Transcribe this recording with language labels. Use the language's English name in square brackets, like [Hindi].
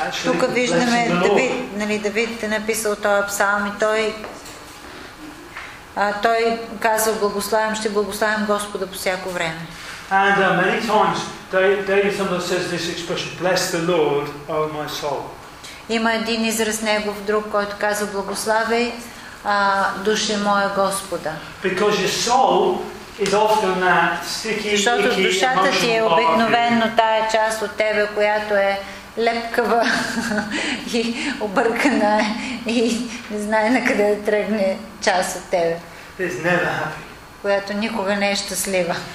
[Bulgarian] Тук виждаме Давид, нали, Давид е написал този псалм и той казва, ще благославям Господа по всяко време. [English] And many times David sometimes says this expression, "Bless the Lord, O my soul." [Bulgarian] Има един израз негов друг, който казва благославяй душе моя Господа. [English] Because your soul is often that sticky, icky, emotional part. [Bulgarian] Душата ти е обикновено тая част от тебе, която е лепкава и объркана и не знае на къде да тръгне част от тебе. [English] It's never happy. [Bulgarian] Която никога не е щастлива.